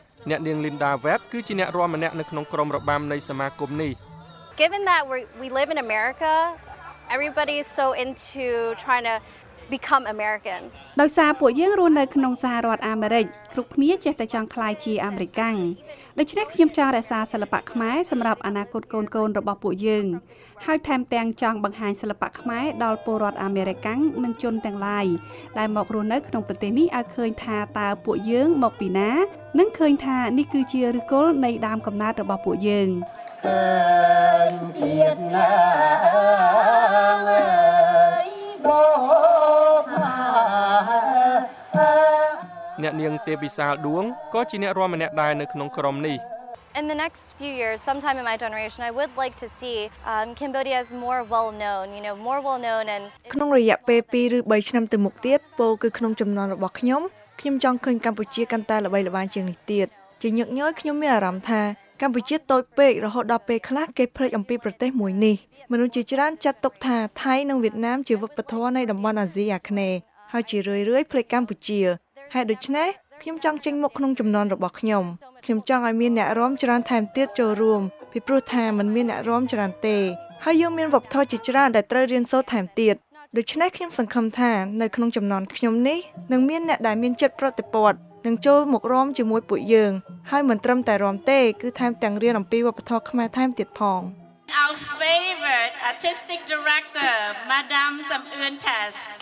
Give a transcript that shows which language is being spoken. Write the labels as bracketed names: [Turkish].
[Khmer] អ្នកនាងលីនដាវ៉េតគឺជាអ្នករួមម្នាក់នៅក្នុងក្រុមរបាំនៃសមាគមនេះ [English] Given that we live in America everybody is so into trying to become American [Khmer] ដោយសារពួកយើងរស់នៅក្នុងសហរដ្ឋអាមេរិកគ្រប់គ្នាចេះតែចង់ក្លាយជាអាមេរិកកាំងដូច្នេះខ្ញុំចង់រក្សាសិល្បៈខ្មែរសម្រាប់អនាគតកូនកូនរបស់ពួកយើងហើយថែមទាំងចង់បង្ហាញសិល្បៈខ្មែរដល់ពលរដ្ឋអាមេរិកកាំងនិងជនទាំងឡាយដែលមករស់នៅក្នុងប្រទេសនេះឲ្យឃើញថាតើពួកយើងមកពីណានិងឃើញថានេះគឺជាឫសគល់នៃដើមកំណើតរបស់ពួកយើង អ្នកនាងទេពវិសាលដួងក៏ជាអ្នករួមម្នាក់ដែរនៅក្នុងក្រុមនេះ [English] in the next few years, sometime in my generation, I would like to see Cambodia as more well known, you know, more well known and [Khmer] ក្នុងរយៈពេល2ឬ3ឆ្នាំទៅមុខទៀតពោលគឺក្នុងចំនួនរបស់ខ្ញុំខ្ញុំចង់ឃើញកម្ពុជាកាន់តែល្បីល្បាញជាងនេះទៀតជាញឹកញយខ្ញុំមានអារម្មណ៍ថាកម្ពុជាតូចពេករហូតដល់ពេលខ្លះគេភ្លេចអំពីប្រទេសមួយនេះមនុស្សជាច្រើនចាត់ទុកថាថៃនិងវៀតណាមជាវប្បធម៌នៃតំបន់អាស៊ីអាគ្នេយ៍ហើយជារឿយៗភ្លេចកម្ពុជា ហើយដូច្នេះខ្ញុំចង់ចេញមុខក្នុងចំនួនរបស់ខ្ញុំខ្ញុំចង់ឲ្យមានអ្នករួមច្រើនថែមទៀតចូលរួមពីព្រោះថា [Thai] มัน [Khmer] មានអ្នករួមច្រើនទេហើយយើងមានវប្បធម៌ជាច្រើនដែលត្រូវរៀនសូត្រថែមទៀតដូច្នេះខ្ញុំសង្ឃឹមថានៅក្នុងចំនួនខ្ញុំនេះនឹងមានអ្នកដែលមានចិត្តប្រតិបត្តិនឹងចូលមករួមជាមួយពួកយើងហើយមិនត្រឹមតែរួមទេគឺថែមទាំងរៀនអំពីវប្បធម៌ខ្មែរថែមទៀតផង [English] Our favorite artistic director Madame Sam Eun Tess